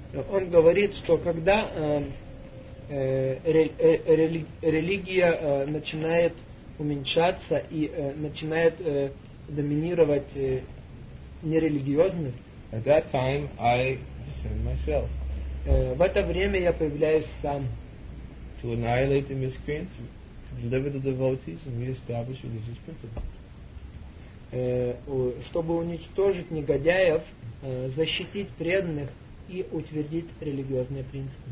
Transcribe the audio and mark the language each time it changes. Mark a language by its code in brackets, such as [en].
[ru] он говорит, что когда религия начинает уменьшаться и начинает доминировать нерелигиозность, [en] at that time I descend myself. [ru] В это время я появляюсь сам. [en] To annihilate the miscreants, to deliver the devotees and re-establish religious principles. [ru] Чтобы уничтожить негодяев, защитить преданных и утвердить религиозные принципы.